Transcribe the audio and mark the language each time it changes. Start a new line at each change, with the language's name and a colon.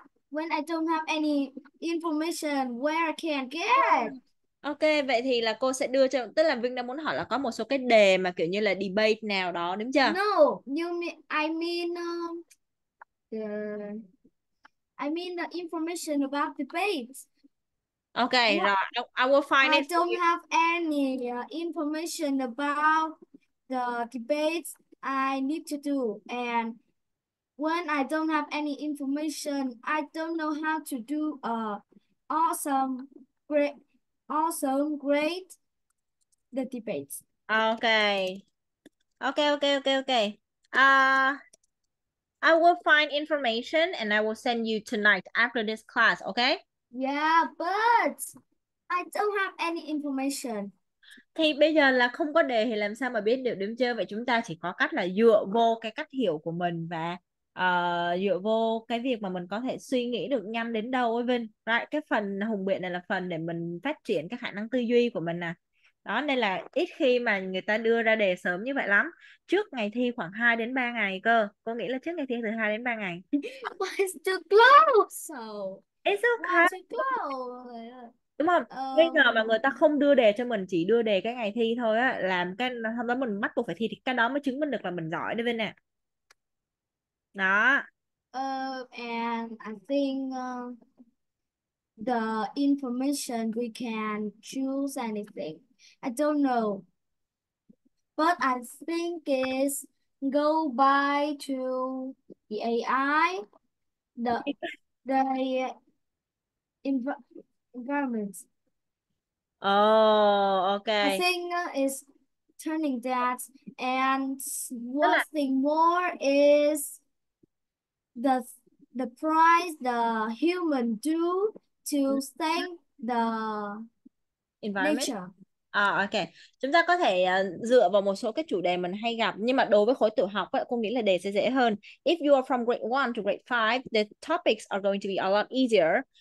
English: When I don't have any information, where I can get?
Vietnamese: Ok, vậy thì là cô sẽ đưa cho... Tức là Vinh đang muốn hỏi là có một số cái đề mà kiểu như là debate nào đó, đúng chưa?
English: No, I mean the information about debate. Ok, rồi. I will find it. I don't have any information about the debates I need to do. And when I don't have any information, I don't know how to do a awesome, great... Awesome, great, the debates. Okay. I will find information and I will send you tonight after this class, okay? Yeah, but I don't have any information.
Vietnamese: Thì bây giờ là không có đề thì làm sao mà biết được, đúng chưa? Vậy chúng ta chỉ có cách là dựa vô cái cách hiểu của mình và dựa vô cái việc mà mình có thể suy nghĩ được nhanh đến đâu ấy Vinh, right? Cái phần hùng biện này là phần để mình phát triển cái khả năng tư duy của mình nè. Đó nên là ít khi mà người ta đưa ra đề sớm như vậy lắm, trước ngày thi khoảng 2 đến 3 ngày cơ. Cô nghĩ là trước ngày thi từ 2 đến 3 ngày.
English: It's too close. So it's okay. Too close.
Vietnamese: Đúng không? Bây giờ mà người ta không đưa đề cho mình, chỉ đưa đề cái ngày thi thôi á, làm cái hôm đó mình bắt buộc phải thi thì cái đó mới chứng minh được là mình giỏi đấy Vinh nè. Đó.
English: And I think the information we can choose anything. I don't know. But I think is go by to the AI, the environment. Oh, okay. The thing is turning that, and one thing more is the price the human do to save the environment. Nature.
Vietnamese: À, ok. Chúng ta có thể dựa vào một số cái chủ đề mình hay gặp. Nhưng mà đối với khối tiểu học, cô nghĩ là đề sẽ dễ hơn.
English: If you are from grade 1 to grade 5, the topics are going to be a lot easier.